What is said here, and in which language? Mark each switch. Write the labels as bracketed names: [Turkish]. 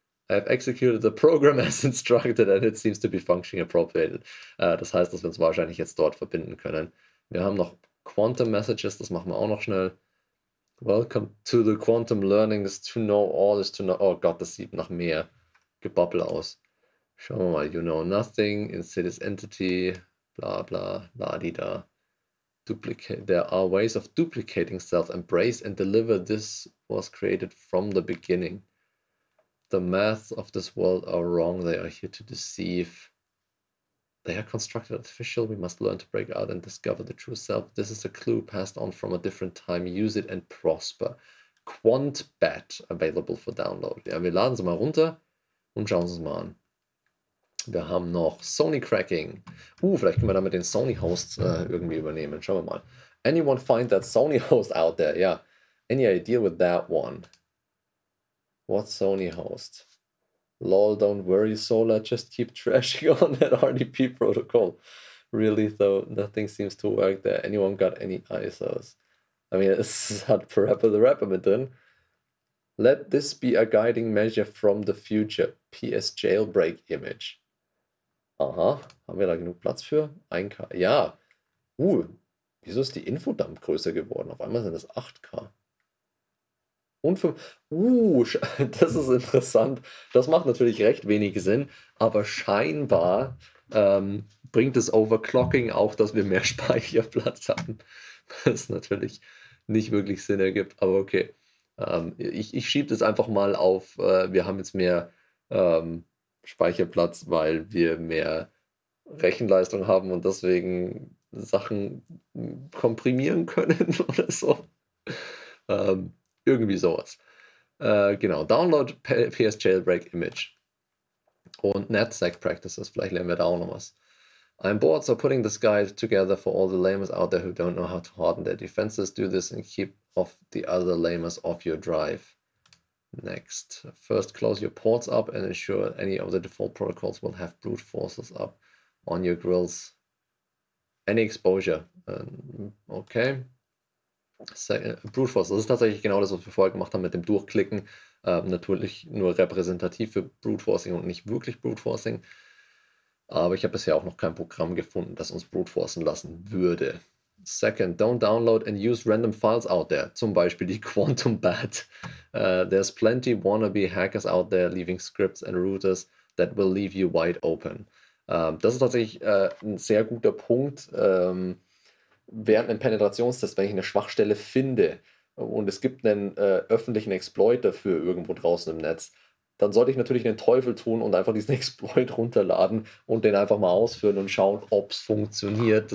[English] I have executed the program as instructed and it seems to be functioning appropriately. [German] Das heißt, dass wir uns wahrscheinlich jetzt dort verbinden können. Wir haben noch Quantum Messages, das machen wir auch noch schnell. [English] Welcome to the Quantum Learnings. To know all is to know. [German] Oh Gott, das sieht nach mehr Gebabbel aus. Schauen wir mal. [English] You know nothing. Instead is entity. Bla bla. Ladida. Duplicate. There are ways of duplicating self. Embrace and deliver. This was created from the beginning. The maths of this world are wrong. They are here to deceive. They are constructed artificial. We must learn to break out and discover the true self. This is a clue passed on from a different time. Use it and prosper. QuantBat available for download. [German] Ja, wir laden sie mal runter und schauen sie mal an. Wir haben noch Sony Cracking. Vielleicht können wir damit den Sony Host irgendwie übernehmen. Schauen wir mal. [English] Anyone find that Sony Host out there? Ja. Any idea with that one? What Sony Host? Lol, don't worry, Solar, just keep trashing on that RDP protocol. Really, though, nothing seems to work there. Anyone got any ISOs? I mean, this had forever the rapper been done. Let this be a guiding measure from the future. PS jailbreak image. [German] Aha, haben wir da genug Platz für? 1K, ja. Wieso ist die Infodump größer geworden? Auf einmal sind das 8K. Und für, das ist interessant. Das macht natürlich recht wenig Sinn, aber scheinbar bringt das Overclocking auch, dass wir mehr Speicherplatz haben. Was natürlich nicht wirklich Sinn ergibt, aber okay. Ich schiebe das einfach mal auf, wir haben jetzt mehr Speicherplatz, weil wir mehr Rechenleistung haben und deswegen Sachen komprimieren können oder so. Irgendwie sowas. Genau, Download PS Jailbreak Image. Und NetSec Practices, vielleicht lernen wir da auch noch was. [English] I'm bored, so putting this guide together for all the lamers out there who don't know how to harden their defenses. Do this and keep off the other lamers off your drive. Next. First, close your ports up and ensure any of the default protocols will have brute forces up on your grills. Any exposure. Okay. [German] Brute Force, das ist tatsächlich genau das, was wir vorher gemacht haben mit dem Durchklicken. Natürlich nur repräsentativ für Brute Forcing und nicht wirklich Brute Forcing. Aber ich habe bisher auch noch kein Programm gefunden, das uns Brute Forcen lassen würde. [English] Second, don't download and use random files out there. [German] Zum Beispiel die Quantum Bat. [English] There's plenty wannabe hackers out there leaving scripts and routers that will leave you wide open. [German] Das ist tatsächlich ein sehr guter Punkt. Während einem Penetrationstest, wenn ich eine Schwachstelle finde und es gibt einen öffentlichen Exploit dafür irgendwo draußen im Netz, dann sollte ich natürlich den Teufel tun und einfach diesen Exploit runterladen und den einfach mal ausführen und schauen, ob es funktioniert.